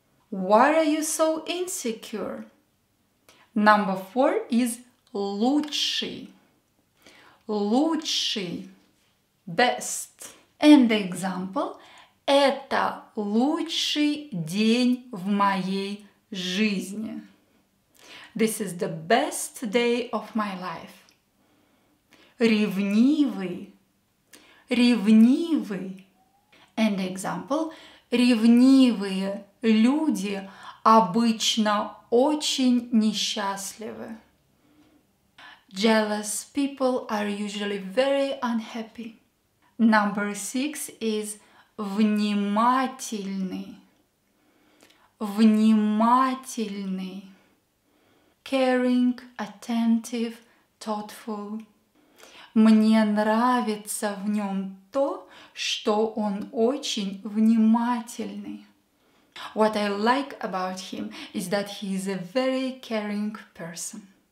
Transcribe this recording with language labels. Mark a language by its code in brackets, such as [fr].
[en] Why are you so insecure? Number four is лучший. Лучший. Best. And the example. [ru] Это лучший день в моей жизни. [en] This is the best day of my life. [ru] Ревнивый. Ревнивый. [en] And the example. [ru] Ревнивые люди обычно очень несчастливы. [en] Jealous people are usually very unhappy. Number six is внимательный. Внимательный. Caring, attentive, thoughtful. [ru] Мне нравится в нем то, что он очень внимательный. [en] What I like about him is that he is a very caring person.